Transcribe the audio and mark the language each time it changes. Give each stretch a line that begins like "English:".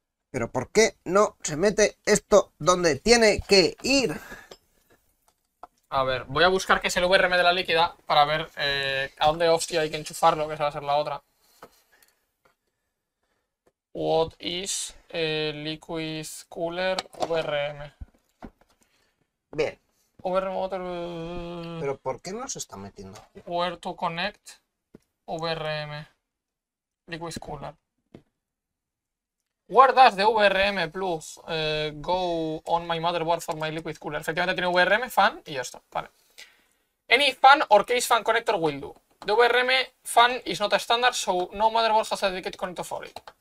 Spanish: ¿Pero por qué no se mete esto donde tiene que ir? A ver, voy a buscar qué es el VRM de la líquida para ver a dónde hostia hay que enchufarlo, que esa va a ser la otra.
English: What is liquid cooler VRM?
Spanish: Bien.
English: VRM water...
Spanish: ¿Pero por qué no se está metiendo?
English: Where to connect VRM. Liquid cooler. Guardas de VRM Plus, go on my motherboard for my liquid cooler.
Spanish: Efectivamente tiene VRM, fan y ya está.
English: Vale. Any fan or case fan connector will do. The VRM fan is not a standard, so no motherboard has a dedicated connector for it.